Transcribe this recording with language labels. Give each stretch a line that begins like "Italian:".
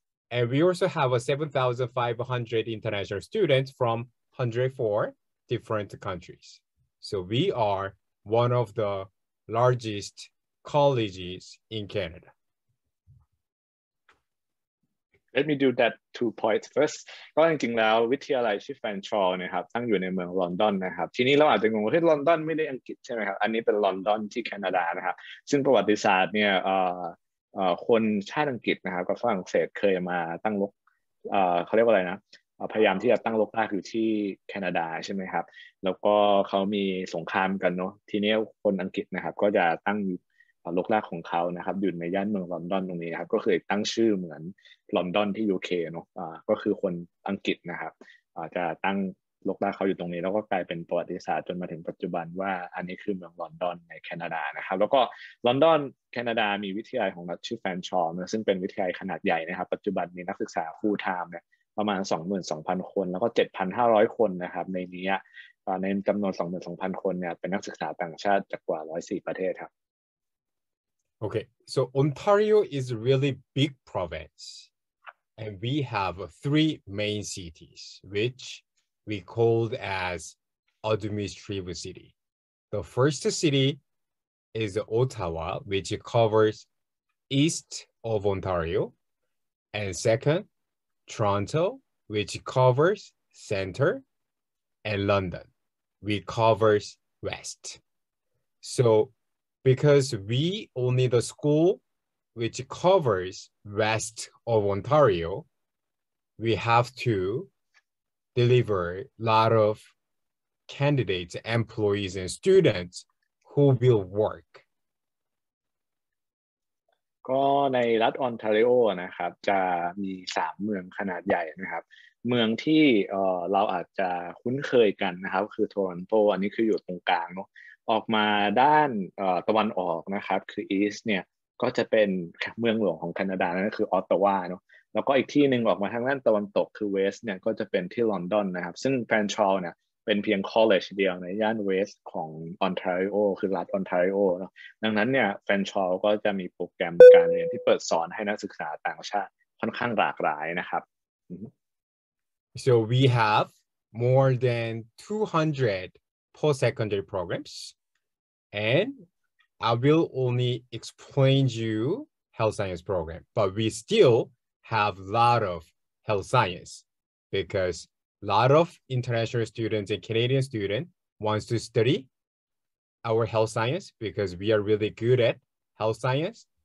English: And we also have a 7,500 international students from 104 different countries. So we are one of the largest colleges in Canada. Let me do that 2 points first.
Thai: ก็จริงๆแล้ววิทยาลัยชื่อ Fanshawe นะครับตั้งอยู่ในเมืองลอนดอนนะครับทีนี้เราอาจจะงงว่าที่ลอนดอนไม่ได้อังกฤษใช่ไหมครับอันนี้เป็นลอนดอนที่แคนาดานะครับซึ่งประวัติศาสตร์เนี่ย คนชาติอังกฤษนะครับกับฝรั่งเศสเคยมาตั้งรกเขาเรียกว่าอะไรนะพยายามที่จะตั้งรกรากอยู่ที่แคนาดาใช่ไหมครับแล้วก็เขามีสงครามกันเนาะทีนี้คนอังกฤษนะครับก็จะตั้ง รกรากของเขานะครับอยู่ในย่านเมืองลอนดอนตรงนี้ครับก็เคยตั้งชื่อเหมือนลอนดอนที่ UK เนาะก็คือคนอังกฤษนะครับจะตั้งรกรากเขาอยู่ตรงนี้แล้วก็กลายเป็นประวัติศาสตร์จนมาถึงปัจจุบันว่าอันนี้คือเมืองลอนดอนในแคนาดานะครับแล้วก็ลอนดอนแคนาดามีวิทยาลัยของรัฐชื่อแฟนชอว์นะซึ่งเป็นวิทยาลัยขนาดใหญ่นะครับปัจจุบันมีนักศึกษาฟูลไทม์เนี่ยประมาณ22,000คนแล้วก็7,500คนนะครับในนี้ในจำนวน22,000คนเนี่ยเป็นนักศึกษาต่างชาติจากกว่า104ประเทศครับ
English: โอเค so Ontario is really big province and we have three main cities whichWe called as administrative city. The first city is Ottawa, which covers east of Ontario. And second, Toronto, which covers center. And London, which covers west. So because we only the school which covers west of Ontario, we have to... deliver a lot of candidates, employees, and students who will work.
Thai: ก็ในรัฐออนทาริโอนะครับจะมี3เมืองขนาดใหญ่นะครับเมืองที่เราอาจจะคุ้นเคยกันนะครับคือโทรอนโตอันนี้คืออยู่ตรงกลางเนาะออกมาด้าน ตะวันออกนะครับคืออีสต์เนี่ยก็จะเป็นเมืองหลวงของแคนาดานั่นก็คือออตตาวาเนาะแล้วก็อีกที่หนึ่งออกมาทางด้านตะวันตกคือเวสต์เนี่ยก็จะเป็นที่ลอนดอนนะครับซึ่งแฟนชอลเนี่ยเป็นเพียงคอลเลจเดียวในย่านเวสต์ของออนทาริโอคือรัฐออนทาริโอเนาะดังนั้นเนี่ยแฟนชอลก็จะมีโปรแกรมการเรียนที่เปิดสอนให้นักศึกษาต่างชาติค่อนข้างหลากหลายนะครับ
English: So we have more than 200 post-secondary programs and I will only explain you health science program but we stillhave a lot of health science because a lot of international students and Canadian students want to study our health science because we are really good at health science.